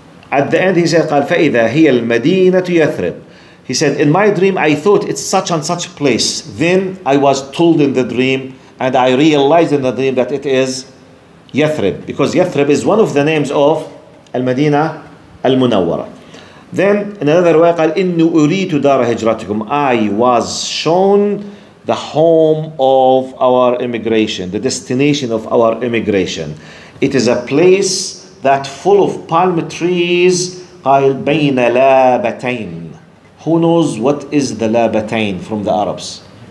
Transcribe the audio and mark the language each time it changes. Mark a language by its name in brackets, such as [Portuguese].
[English] At the end, he said, [Arabic] قال فإذا هي المدينة يثرب. [English] He said, in my dream, I thought it's such and such place. Then I was told in the dream, and I realized in the dream that it is Yathrib. Because Yathrib is one of the names of al-Madinah al-Munawwara. Then, in another way, [Arabic] قال إِنُّ أُرِيتُ دَارَ هِجْرَتِكُمْ. [English] I was shown the home of our immigration, the destination of our immigration. It is a place that full of palm trees, [Arabic] قال بين لابتين. [English] Who knows what is the لابتين from the Arabs?